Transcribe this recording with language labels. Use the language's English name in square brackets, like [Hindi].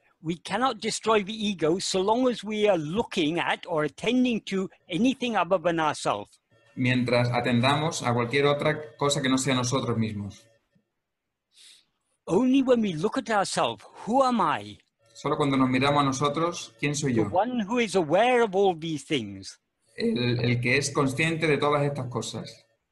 [English] We cannot destroy the ego so long as we are looking at or attending to anything other than ourselves. [Spanish] Mientras atendamos a cualquier otra cosa que no sea nosotros mismos. [English] Only when we look at ourselves, who am I? [Spanish] Solo cuando nos miramos a nosotros, ¿quién soy yo? [English] The one who is aware of all these things. [Spanish] El que es consciente de todas estas cosas.